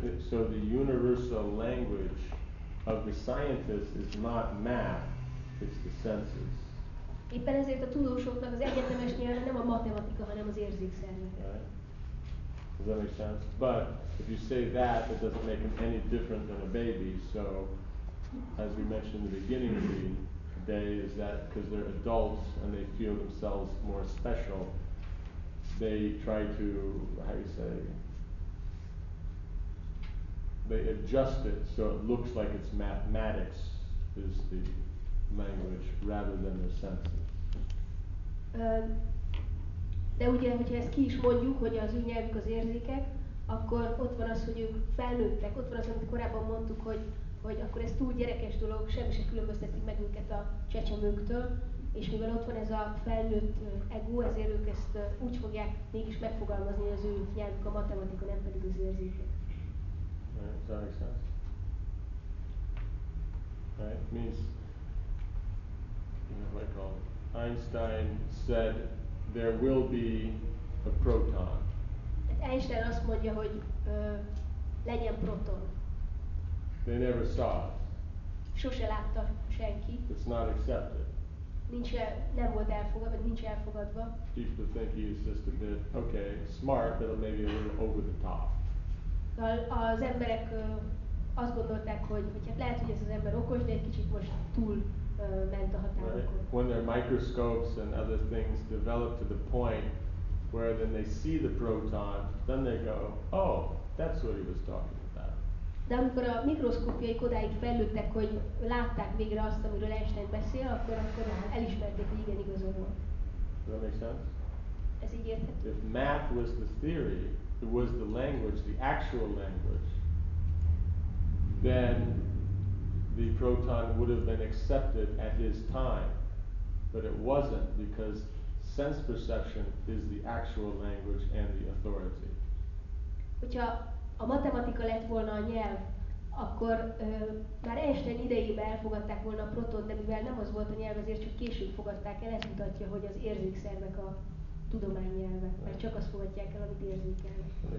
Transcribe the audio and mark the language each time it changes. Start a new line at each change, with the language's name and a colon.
English: So the universal language of the scientist is not math, it's the senses.
Hungarian: Éppen ezért a tudósoknak az egyetemes nyelve nem a matematika, hanem az érzékszerve.
English: Right. Does that make sense? But if you say that, it doesn't make him any different than a baby, so as we mentioned in the beginning of the day, is that because they're adults and they feel themselves more special, they try to, how do you say, they adjust it so it looks like it's mathematics is the language rather than their senses.
Hungarian: De ugye, hogyha ezt ki is mondjuk, hogy az ő nyelvük az érzékek, akkor ott van az, hogy ők felnőttek, ott van az, amit korábban mondtuk, hogy akkor ez túl gyerekes dolog, semmi se különbözteti meg őket a csecsemőktől, és mivel ott van ez a felnőtt ego, ezért ők ezt úgy fogják mégis megfogalmazni, az ő nyelvük a matematika, nem pedig az érzékek.
English: Right, does that make sense? Right, means, you know, like all, Einstein said, there will be a proton.
Hungarian: Einstein azt mondja, hogy legyen proton.
English: They never saw it.
Hungarian: Sose látta senki.
English: It's not accepted.
Hungarian: Nem volt elfogadva.
English: People think he is just a bit, okay, smart, but maybe a little over the top.
Hungarian: Az emberek azt gondolták, hogy hát lehet, hogy ez az ember okos, de egy kicsit most túl ment a határokon.
English: Right. When their microscopes and other things develop to the point where then they see the proton, then they go, oh, that's what he was talking.
Hungarian: De amikor a mikroszkópiaik odáig fejlődtek, hogy látták végre azt, amiről Einstein beszél, akkor elismerték, hogy igen, igazol volt.
English: Does that make sense?
Hungarian: Ez így érthető.
English: If math was the theory, it was the language, the actual language, then the proton would have been accepted at his time. But it wasn't, because sense perception is the actual language and the authority.
Hungarian: Ha a matematika lett volna a nyelv, akkor már Einstein idejében elfogadták volna a proton, de mivel nem az volt a nyelv, azért csak később fogadták el, ez mutatja, hogy az érzékszervek a tudomány nyelve, mert csak azt fogadják el, amit érzékelnek.